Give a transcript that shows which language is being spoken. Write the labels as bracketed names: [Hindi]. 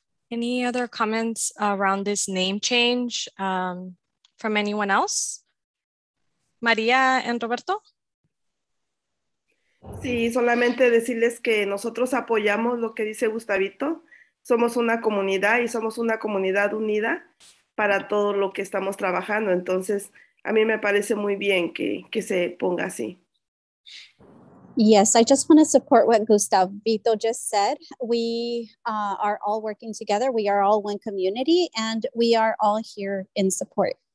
[English] Any other comments around this name change from anyone else? Maria and Roberto? [Spanish] Sí, solamente decirles que nosotros apoyamos lo que dice Gustavito. Somos una comunidad y somos una comunidad unida para todo lo que estamos trabajando. Entonces, a mí me parece muy bien que se ponga así. [English] Yes, I just want to support what Gustavito just said. We are all working together. We are all one community and we are all here in support.